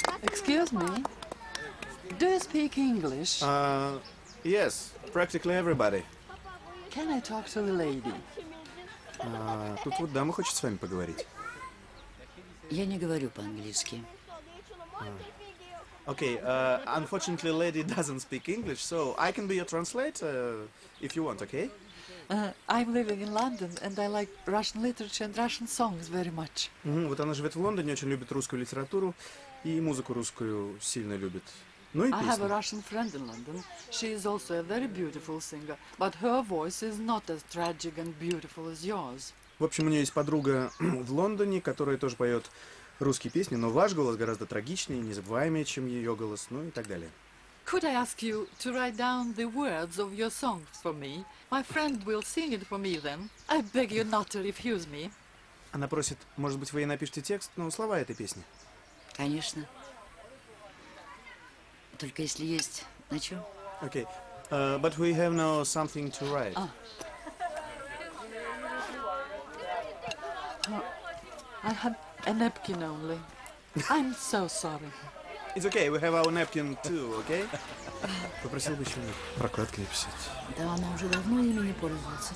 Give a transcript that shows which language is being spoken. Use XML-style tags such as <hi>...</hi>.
<en>Excuse me. Do you speak English? Yes, practically everybody. Can I talk to the lady?</en> <ru>Тут вот дама хочет с вами поговорить. Я не говорю по-английски.</ru> <en>Okay, unfortunately, lady doesn't speak English, so I can be your translator if you want, okay? I'm living in London, and I like Russian literature and Russian songs very much. Mm-hmm.</en> <ru>Вот она живет в Лондоне, очень любит русскую литературу и музыку русскую сильно любит. Ну и песни.</ru> <en>I have a Russian friend in London. She is also a very beautiful singer, but her voice is not as tragic and beautiful as yours.</en> <ru>В общем, у нее есть подруга в Лондоне, которая тоже поет русские песни, но ваш голос гораздо трагичнее, незабываемее, чем ее голос, ну и так далее.</ru> <en>Could I ask you to write down the words of your song for me? My friend will sing it for me then. I beg you not to refuse me.</en> <ru>Она просит, может быть, вы ей напишете текст, но слова этой песни. Конечно. Только если есть на чем.</ru> <en>Okay. But we have now something to write. I had a napkin only. I'm so sorry. It's okay, we have our napkin too, okay?</en> <ru>Попросил бы еще мне прокладки написать. Да, она уже давно ими не пользуется.</ru>